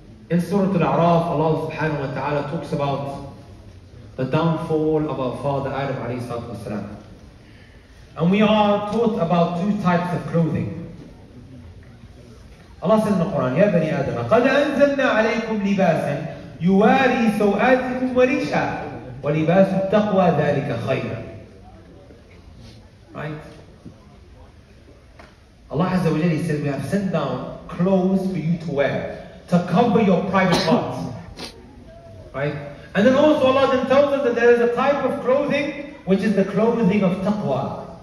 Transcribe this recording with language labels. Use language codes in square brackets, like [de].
[en] In Surah Al-A'raf, Allah subhanahu wa ta'ala talks about the downfall of our father Adam alayhi salatu wasalam. And we are taught about two types of clothing. Allah says in the Quran, [ar] Ya Bani Adam, قَدْ أَنزَلْنَا عَلَيْكُمْ لِبَاسًا يُوَارِي سَوْآتِكُمْ وَرِيشًا وَلِبَاسُ التَّقْوَى ذَلِكَ خَيْرًا. [en] Right? Allah Azza wa Jalla said, we have sent down clothes for you to wear, to cover your private parts. Right? And then also Allah then tells us that there is a type of clothing which is the clothing of taqwa.